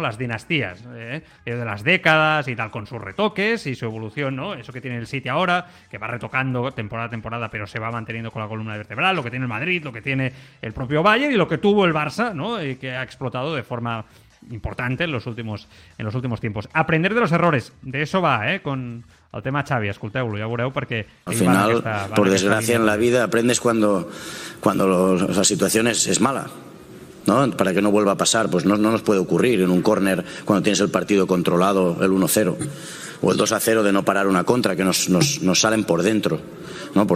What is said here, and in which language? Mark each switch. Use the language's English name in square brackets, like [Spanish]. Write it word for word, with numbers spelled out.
[Spanish] Las dinastías, ¿eh? de las décadas y tal, con sus retoques y su evolución, ¿no? Eso que tiene el City ahora, que va retocando temporada a temporada, pero se va manteniendo con la columna vertebral, lo que tiene el Madrid, lo que tiene el propio Bayern y lo que tuvo el Barça, ¿no? Y que ha explotado de forma importante en los últimos, en los últimos tiempos. Aprender de los errores, de eso va, ¿eh? Con el tema [Catalan] Xavi, escolteu-lo, ja veureu, perquè... [Spanish] Al final, [Catalan] aquesta, [Spanish] por desgracia, en la vida aprendes cuando, cuando los, la situación es, es mala, ¿no? Para que no vuelva a pasar, pues no, no nos puede ocurrir en un córner cuando tienes el partido controlado, el uno cero, o el dos a cero de no parar una contra, que nos, nos, nos salen por dentro, ¿no?